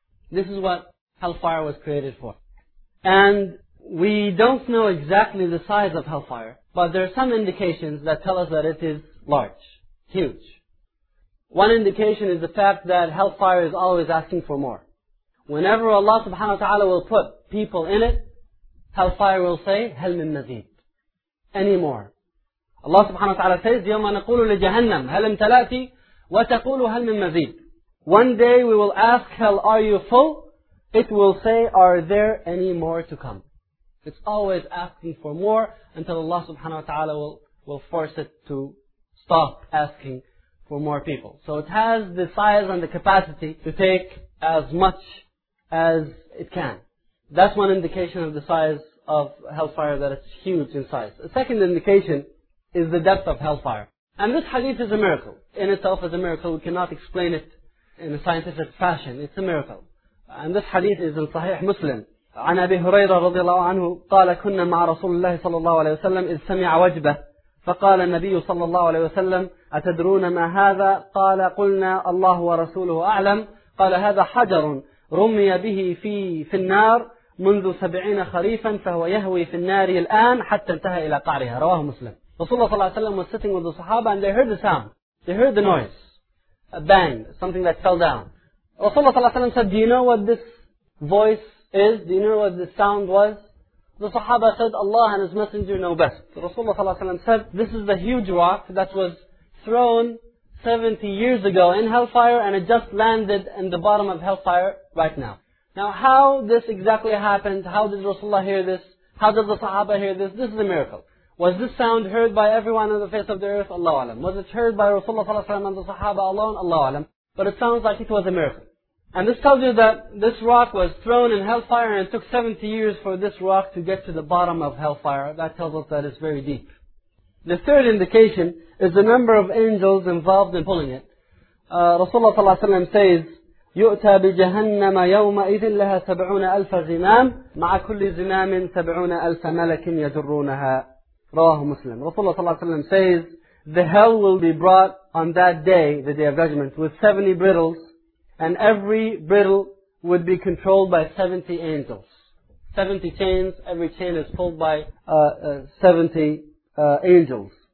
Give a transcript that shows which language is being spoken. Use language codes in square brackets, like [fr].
[en] This is what hellfire was created for. And we don't know exactly the size of hellfire, but there are some indications that tell us that it is large, huge. One indication is the fact that hellfire is always asking for more. Whenever Allah subhanahu wa ta'ala will put people in it, hellfire will say, [ar] هَلْ مِنْ مَزِيدٍ. [en] Any more. [ar] Allah subhanahu wa ta'ala says, يَوْمَ نَقُولُ لِجَهَنَّمْ هَلْ امْتَلَأْتِ وَتَقُولُ هَلْ مِنْ مَزِيدٍ. [en] One day we will ask hell, are you full? It will say, are there any more to come? It's always asking for more until Allah subhanahu wa ta'ala will force it to stop asking for more people. So it has the size and the capacity to take as much as it can. That's one indication of the size of hellfire, that it's huge in size. A second indication is the depth of hellfire. And this hadith is a miracle. In itself is a miracle. We cannot explain it in a scientific fashion. It's a miracle. And this hadith is in Sahih Muslim. [ar] عن أبي هريرة رضي الله عنه قال كنا مع رسول الله صلى الله عليه وسلم إذ سمع وجبة فقال النبي صلى الله عليه وسلم أتدرون ما هذا؟ قال قلنا الله ورسوله أعلم. قال هذا حجر رمي به في النار منذ 70 خريفا فهو يهوي في النار الآن حتى انتهى إلى قعرها. رواه مسلم. رسول الله صلى الله عليه وسلم [en] was sitting with the Sahaba and they heard the sound. They heard the noise. A bang. Something that fell down. [ar] رسول الله صلى الله عليه وسلم [en] said, do you know what this voice is? Do you know what the sound was? The Sahaba said, Allah and His Messenger know best. Rasulullah sallallahu alayhi wa sallam said, this is the huge rock that was thrown 70 years ago in hellfire and it just landed in the bottom of hellfire right now. Now how this exactly happened, how did Rasulullah hear this, how did the Sahaba hear this, this is a miracle. Was this sound heard by everyone on the face of the earth? Allahu alam. Was it heard by Rasulullah sallallahu alayhi wa sallam and the Sahaba alone? Allahu alam. But it sounds like it was a miracle. And this tells you that this rock was thrown in hellfire and it took 70 years for this rock to get to the bottom of hellfire. That tells us that it's very deep. The third indication is the number of angels involved in pulling it. [ar] Rasulullah sallallahu alayhi wa sallam says, يُؤْتَى بِجَهَنَّمَ يَوْمَئِذٍ لَهَا 70 أَلْفَ زِمَامٍ مَعَ كُلِّ زِمَامٍ 70 أَلْفَ مَلَكٍ يَدُرُّونَهَا. رواه مسلم. [en] Rasulullah sallallahu alayhi wa sallam says, the hell will be brought on that day, the day of judgment, with 70 brittles. And every brittle would be controlled by 70 angels. 70 chains, every chain is pulled by 70 angels.